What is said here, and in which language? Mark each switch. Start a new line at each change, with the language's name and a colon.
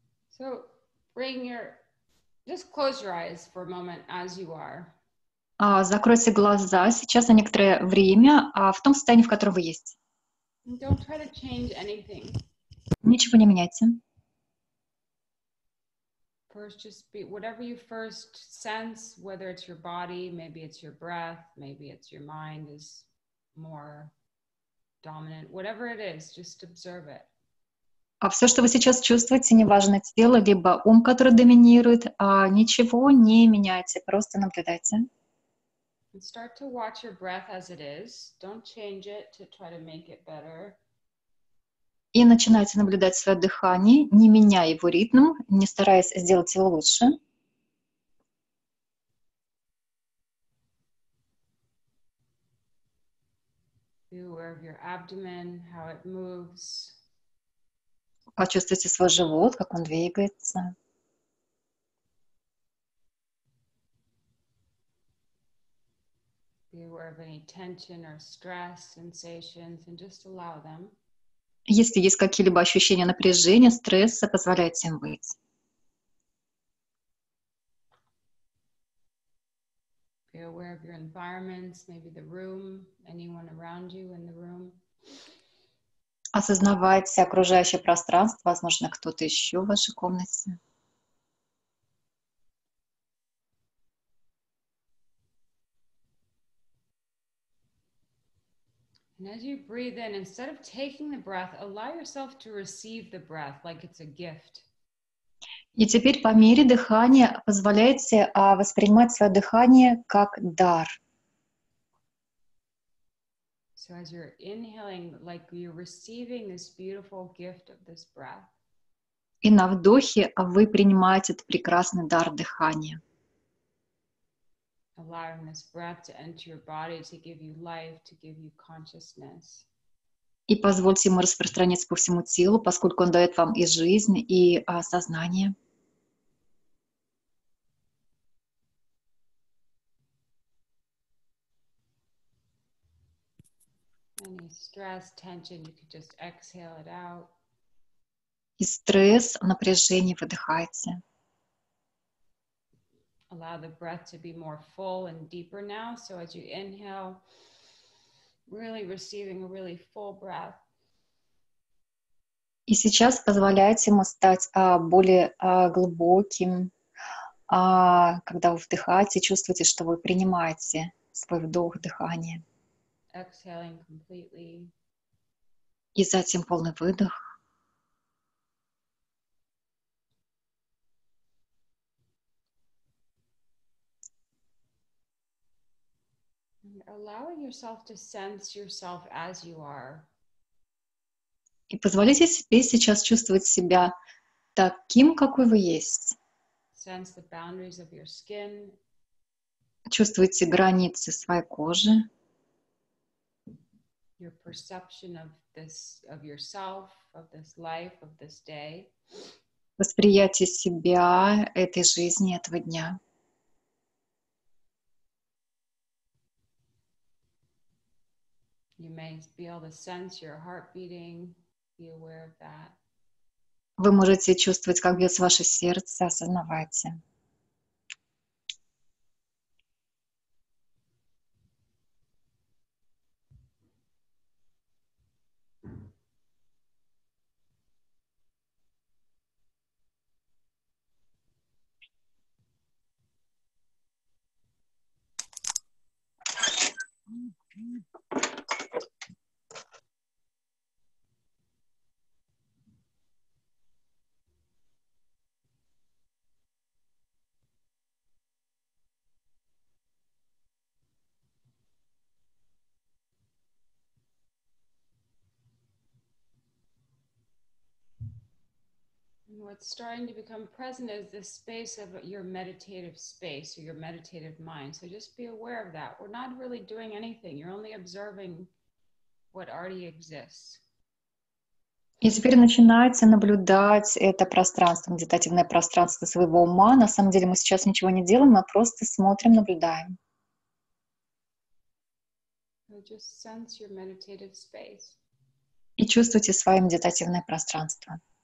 English: So bring your, just close your eyes for a moment as you are.
Russian: Закройте глаза сейчас на некоторое время, в том состоянии, в котором вы есть.
English: Don't try to change anything.
Russian: Ничего не меняйте.
English: First, just be whatever you first sense, whether it's your body, maybe it's your breath, maybe it's your mind is more dominant. Whatever it is, just observe it.
Russian: А все, что вы сейчас чувствуете, неважно тело либо ум, который доминирует, ничего не меняйте, просто наблюдайте.
English: And start to watch your breath as it is. Don't change it to try to make it better.
Russian: И начинайте наблюдать свое дыхание, не меняя его ритм, не стараясь сделать его лучше.
English: Be aware of your abdomen, how it moves.
Russian: Почувствуйте свой живот, как он двигается.
English: Be aware of any tension or stress sensations and just allow them.
Russian: Если есть какие-либо ощущения напряжения, стресса, позволяйте им быть.
English: Be aware of your environments, maybe the room, anyone around you in the room.
Russian: Осознавайте окружающее пространство, возможно, кто-то еще в вашей комнате.
English: And as you breathe in, instead of taking the breath, allow yourself to receive the breath like it's a gift.
Russian: И теперь по мере дыхания позволяйте воспринимать свое дыхание как дар.
English: So as you're inhaling, like you're receiving this beautiful gift of this breath.
Russian: И на вдохе вы принимаете этот прекрасный дар дыхания.
English: Allowing this breath to enter your body to give you life, to give you consciousness.
Russian: И позвольте ему распространиться по всему телу, поскольку он дает вам и жизнь, и сознание. Mm-hmm.
English: Any stress, tension, you could just exhale it out.
Russian: И стресс, напряжение выдыхается.
English: Allow the breath to be more full and deeper now. So as you inhale, really receiving a really full breath.
Russian: И сейчас позволяете ему стать более глубоким, когда вы вдыхаете, чувствуете, что вы принимаете свой вдох, дыхание.
English: Exhaling completely.
Russian: И затем полный выдох.
English: Allowing yourself to sense yourself as you are.
Russian: И позволите себе сейчас чувствовать себя таким, какой вы есть.
English: Sense the boundaries of your skin.
Russian: Чувствуйте границы своей кожи.
English: Your perception of this, of yourself, of this life, of this day.
Russian: Восприятие себя, этой жизни, этого дня.
English: You may be able to sense your heart beating. Be aware of that.
Russian: Вы можете чувствовать, как бьется ваше сердце, осознавайте.
English: What's starting to become present is the space of your meditative space or your meditative mind. So just be aware of that. We're not really doing anything. You're only observing what already exists.
Russian: И теперь начинается наблюдать это пространство, медитативное пространство своего ума. На самом деле мы сейчас ничего не делаем, мы просто смотрим, наблюдаем.
English: So just sense your meditative space.
Russian: И чувствуйте свое медитативное пространство.